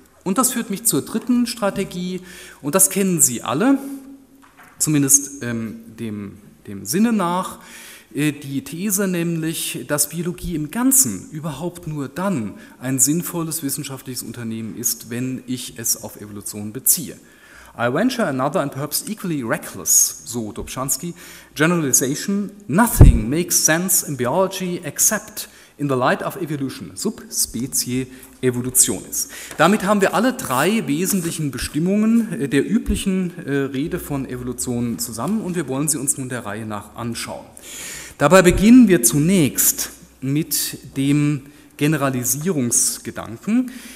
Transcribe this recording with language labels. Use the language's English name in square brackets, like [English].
[German] Und das führt mich zur dritten Strategie, und das kennen Sie alle, zumindest dem Sinne nach, die These nämlich, dass Biologie im Ganzen überhaupt nur dann ein sinnvolles wissenschaftliches Unternehmen ist, wenn ich es auf Evolution beziehe. [English] I venture another and perhaps equally reckless, so Dobzhansky, generalization: Nothing makes sense in biology except in the light of evolution, subspecie evolutionis. [German] Damit haben wir alle drei wesentlichen Bestimmungen der üblichen Rede von Evolution zusammen und wir wollen sie uns nun der Reihe nach anschauen. Dabei beginnen wir zunächst mit dem Generalisierungsgedanken.